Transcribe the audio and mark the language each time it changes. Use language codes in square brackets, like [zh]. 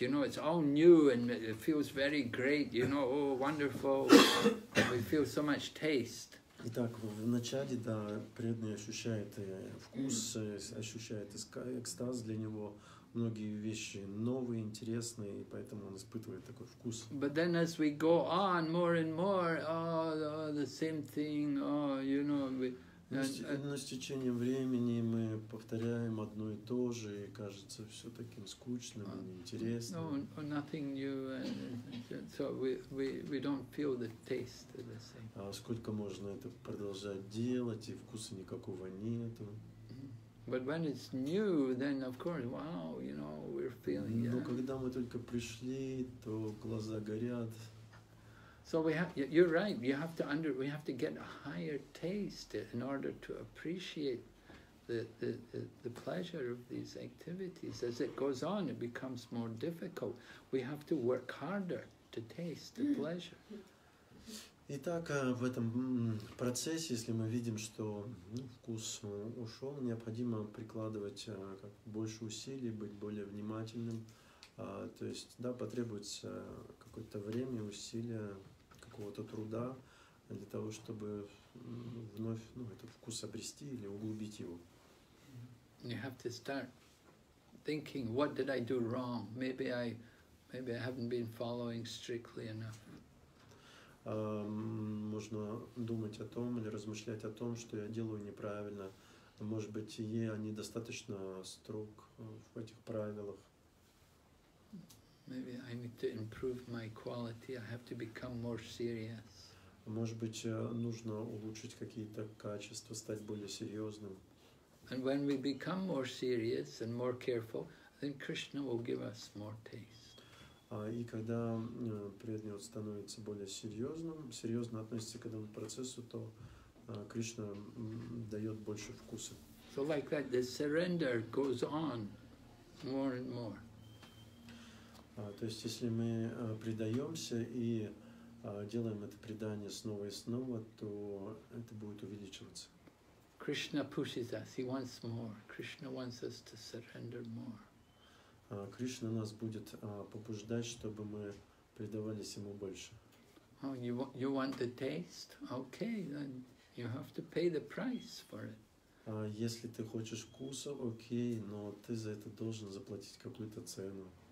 [en] You know, it's all new and it feels very great. You know, oh, wonderful. We feel so much taste. [ru] Итак, в начале, да, преданный ощущает вкус, ощущает экстаз, для него многие вещи новые, интересные, и поэтому он испытывает такой вкус. [en] But then as we go on more and more, oh, the same thing, oh, you know, [ru] Но с течением времени мы повторяем одно и то же, и кажется все таким скучным, неинтересным. [en] No, nothing new, so we don't feel the taste the same. [ru] Сколько можно это продолжать делать, и вкуса никакого нету. [en] But when it's new, then of course, wow, you know, we're feeling. [ru] Но когда мы только пришли, то глаза горят. [en] So you're right. We have to get a higher taste in order to appreciate the pleasure of these activities. As it goes on, it becomes more difficult. We have to work harder to taste the pleasure. [ru] Итак, в этом процессе, если мы видим, что вкус ушел, необходимо прикладывать больше усилий, быть более внимательным. То есть, да, потребуется какое-то время, усилия. Какого-то труда для того, чтобы вновь этот вкус обрести или углубить его. [en] You have to start thinking, what did I do wrong? Maybe I haven't been following strictly enough. [ru] Можно думать о том или размышлять о том, что я делаю неправильно. Может быть, я недостаточно строг в этих правилах. [en] Maybe I need to improve my quality. I have to become more serious. [ru] Может быть, нужно улучшить какие-то качества, стать более серьезным. [en] And when we become more serious and more careful, then Krishna will give us more taste. [ru] И когда преданный становится более серьезным, серьезно относится к этому процессу, то Кришна дает больше вкуса. [en] So like that, the surrender goes on more and more. [ru] То есть, если мы предаемся и делаем это предание снова и снова, то это будет увеличиваться. [en] Krishna pushes us. He wants more. Krishna wants us to surrender more. [ru] Кришна нас будет побуждать, чтобы мы предавались ему больше. [en] Oh, you want the taste? Okay, then you have to pay the price for it. [ru] Если ты хочешь вкуса, окей, но ты за это должен заплатить какую-то цену.